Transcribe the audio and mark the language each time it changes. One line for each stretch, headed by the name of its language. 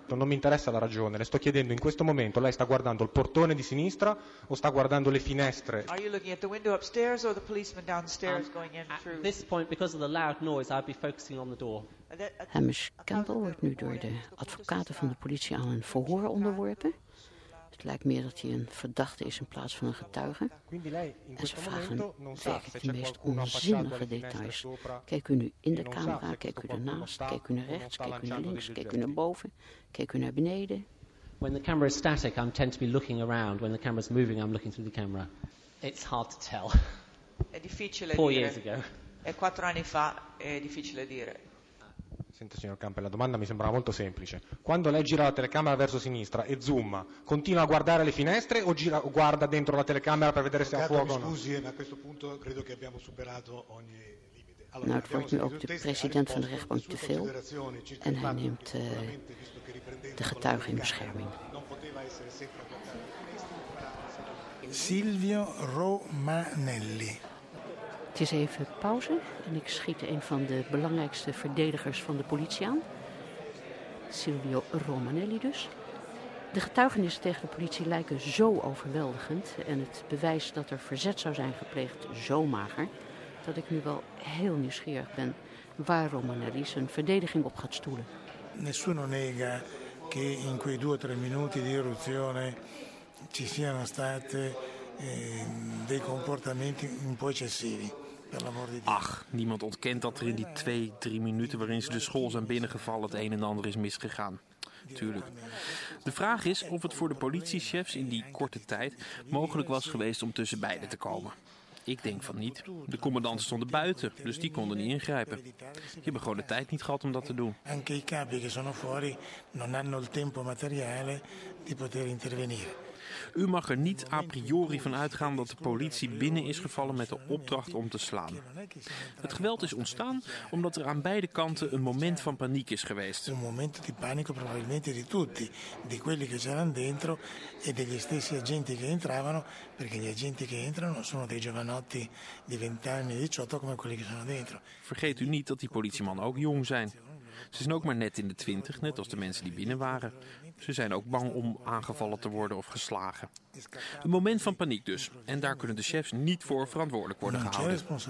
Italian: Non mi interessa la ragione, le sto chiedendo in questo momento, lei sta guardando il portone di sinistra o sta guardando le finestre?
English: Are you looking at the window upstairs or the policeman downstairs going in through? At this point, because of the loud noise, I'd be focusing on the door.
Dutch: Hamish Campbell wordt nu door de advocaten van de politie aan een verhoor onderworpen. Het lijkt meer dat hij een verdachte is in plaats van een getuige. En ze vragen werkelijk de meest onzinnige details. Keek u nu in de camera, keek u ernaast, keek u naar rechts, keek u naar links, keek u naar boven, keek u naar beneden. When the camera is static, I tend to be looking around. When the camera is moving, I'm looking through the camera. It's hard to tell.
Italian: È difficile
English: Four
Italian: dire.
English: Years ago.
Italian: È quattro anni fa, è difficile dire. Senta, signor Campbell, la domanda mi sembrava molto semplice. Quando lei gira la telecamera verso sinistra e zoom, continua a guardare le finestre o gira, guarda dentro la telecamera per vedere se ha fuoco? Mi scusi, ma a questo punto credo che abbiamo superato ogni limite.
Dutch: Allora, nou, het wordt nu ook de president van de rechtbank te veel en hij neemt de getuige in bescherming. Silvio Romanelli. Het is even pauze en ik schiet een van de belangrijkste verdedigers van de politie aan. Silvio Romanelli dus. De getuigenissen tegen de politie lijken zo overweldigend en het bewijs dat er verzet zou zijn gepleegd zo mager, dat ik nu wel heel nieuwsgierig ben waar Romanelli zijn verdediging op gaat stoelen.
Italian: Nessuno nega che in quei due o tre minuti di eruzione ci siano state dei comportamenti un po' eccessivi.
Dutch: Ach, niemand ontkent dat er in die 2-3 minuten waarin ze de school zijn binnengevallen het een en ander is misgegaan. Tuurlijk. De vraag is of het voor de politiechefs in die korte tijd mogelijk was geweest om tussen beiden te komen. Ik denk van niet. De commandanten stonden buiten, dus die konden niet ingrijpen. Die hebben gewoon de tijd niet gehad om dat te doen.
Italian: Anche i capi che sono fuori non hanno il tempo materiale di poter intervenire.
Dutch: U mag er niet a priori van uitgaan dat de politie binnen is gevallen met de opdracht om te slaan. Het geweld is ontstaan omdat er aan beide kanten een moment van paniek is geweest.
Italian: Un momento di panico probabilmente di tutti, di quelli che c'erano dentro e degli stessi agenti che entravano, perché gli agenti che entrano sono dei giovanotti di 20 anni, 18 come quelli che sono dentro.
Dutch: Vergeet u niet dat die politiemannen ook jong zijn. Ze zijn ook maar net in de 20, net als de mensen die binnen waren. Ze zijn ook bang om aangevallen te worden of geslagen. Een moment van paniek dus. En daar kunnen de chefs niet voor verantwoordelijk worden gehouden.